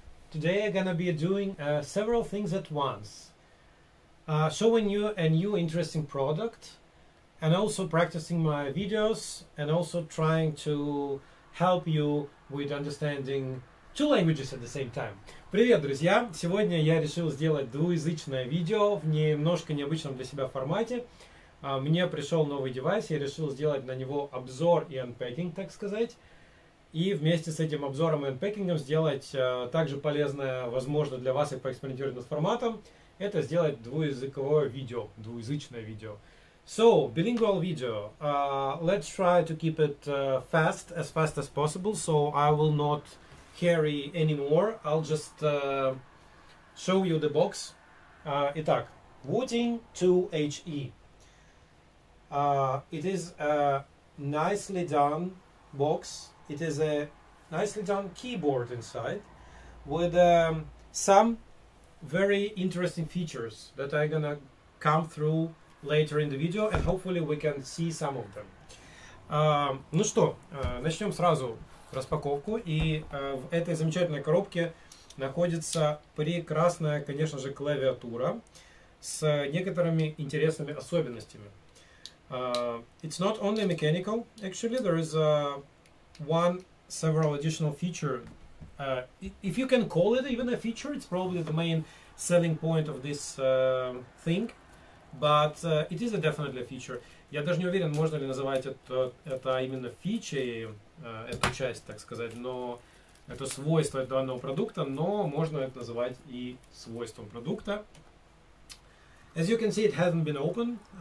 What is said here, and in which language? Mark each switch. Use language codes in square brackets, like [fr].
[en] Today I'm gonna be doing several things at once. Showing you a new interesting product and also practicing my videos and also trying to help you with understanding two languages at the same time. [ru] Привет, друзья! Сегодня я решил сделать двуязычное видео в немножко необычном для себя формате. Мне пришел новый девайс, я решил сделать на него обзор и unpacking, так сказать. И вместе с этим обзором и unpacking'ом сделать также полезное, возможно, для вас и поэкспериментировать над форматом. Это сделать двуязыковое видео, двуязычное видео. [en] So, bilingual video. Let's try to keep it fast as possible, so I will not carry anymore. I'll just show you the box. [ru] Итак, [en] Wooting 2HE. It is a nicely done box. It is a nicely done keyboard inside with some very interesting features that I'm gonna come through later in the video, and hopefully we can see some of them. [ru] Ну что, начнем сразу распаковку. И в этой замечательной коробке находится прекрасная, конечно же, клавиатура с некоторыми интересными особенностями. [en] It's not only mechanical, actually, there is several additional feature. If you can call it even a feature, it's probably the main selling point of this thing, but it is a definitely feature. [ru] Я даже не уверен, можно ли называть это именно фичей, эту часть, так сказать, но это свойство данного продукта, но можно это называть и свойством продукта. [en] As you can see, it hasn't been open.